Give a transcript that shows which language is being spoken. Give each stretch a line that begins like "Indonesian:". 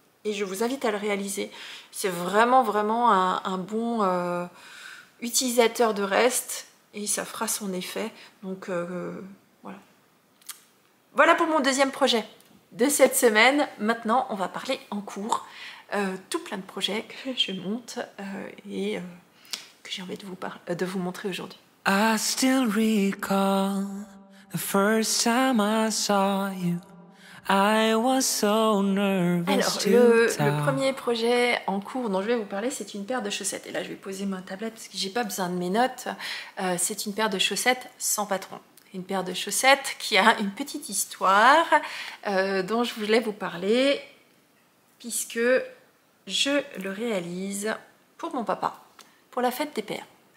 French: Et je vous invite à le réaliser. C'est vraiment, vraiment un bon utilisateur de reste. Et ça fera son effet. Donc, voilà. Voilà pour mon deuxième projet de cette semaine. Maintenant, on va parler en cours. Tout plein de projets que je monte et que j'ai envie de vous montrer aujourd'hui.
English: I still recall the first time I saw you. I was so nervous.
French: Alors, le premier projet en cours dont je vais vous parler, c'est une paire de chaussettes. Et là, je vais poser ma tablette parce que j'ai pas besoin de mes notes. C'est une paire de chaussettes sans patron. Une paire de chaussettes qui a une petite histoire dont je voulais vous parler, puisque je le réalise pour mon papa, pour la fête des pères.